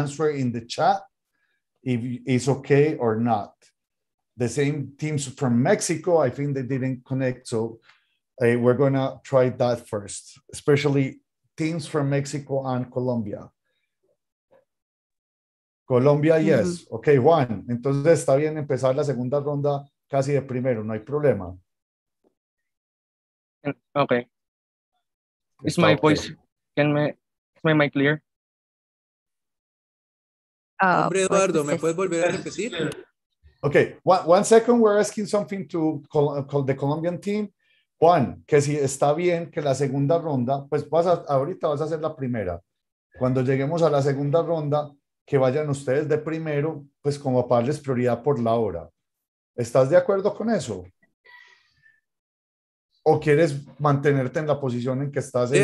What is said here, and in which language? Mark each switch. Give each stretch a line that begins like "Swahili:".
English: answer in the chat if it's okay or not. The same teams from Mexico, I think they didn't connect. So we're going to try that first, especially teams from Mexico and Colombia. Colombia, mm-hmm. yes. Okay, Juan.
Spanish: Entonces está bien empezar la segunda ronda casi de primero. No hay problema.
English: Okay. Is my okay. voice, can me, is my mic clear?
Spanish: Hombre, Eduardo, ¿me puedes volver a repetir?
English: Okay, one second, we're asking something to call the Colombian team.
Spanish: Juan, que si está bien que la segunda ronda, pues vas a, ahorita vas a hacer la primera. Cuando lleguemos a la segunda ronda, que vayan ustedes de primero, pues como para darles prioridad por la hora. ¿Estás de acuerdo con eso? ¿O quieres mantenerte en la posición en que estás en